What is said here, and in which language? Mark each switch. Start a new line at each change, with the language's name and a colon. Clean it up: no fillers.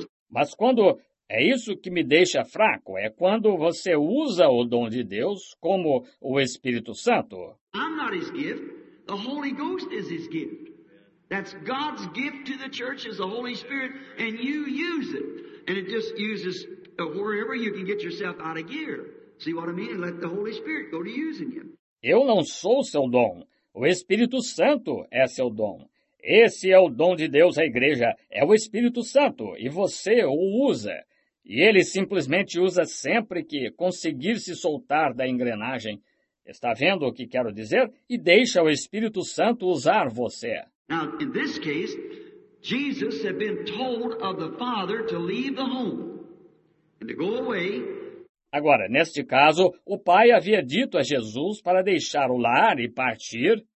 Portuguese: Mas quando é isso que me deixa fraco, é quando você usa o dom de Deus como o Espírito Santo.
English: I'm not his gift. The Holy Ghost is his gift. That's God's gift to the church is the Holy Spirit, and you use it. And it just uses wherever you can get yourself out of gear. See what I mean? And let the Holy Spirit go to using you.
Portuguese: Eu não sou seu dom. O Espírito Santo é seu dom. Esse é o dom de Deus à igreja. É o Espírito Santo e você o usa. E ele simplesmente usa sempre que conseguir se soltar da engrenagem. Está vendo o que quero dizer? E deixa o Espírito Santo usar você.
English: Now, in this case, Jesus had been told of the Father to leave the home and to go away.
Portuguese: Agora, neste caso, o pai havia dito a Jesus para deixar o lar e partir.